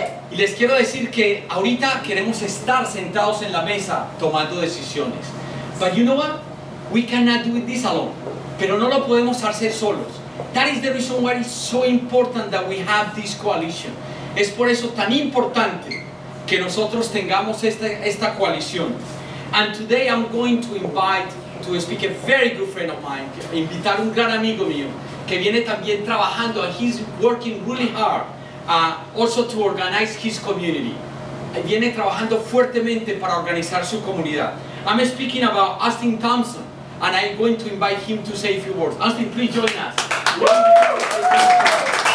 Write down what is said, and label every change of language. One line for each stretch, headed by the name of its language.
Spanish: Y les quiero decir que ahorita queremos estar sentados en la mesa tomando decisiones.
English: But you know what? We cannot do this alone.
Spanish: Pero no lo podemos hacer solos.
English: That is the reason why it's so important that we have this coalition.
Spanish: Es por eso tan importante que nosotros tengamos esta coalición.
English: And today I'm going to invite to speak a very good friend of mine,
Spanish: invitar un gran amigo mío que viene también trabajando,
English: and he's working really hard also to organize his community.
Spanish: Viene trabajando fuertemente para organizar su comunidad.
English: I'm speaking about Austin Thompson, and I'm going to invite him to say a few words. Austin, please join us.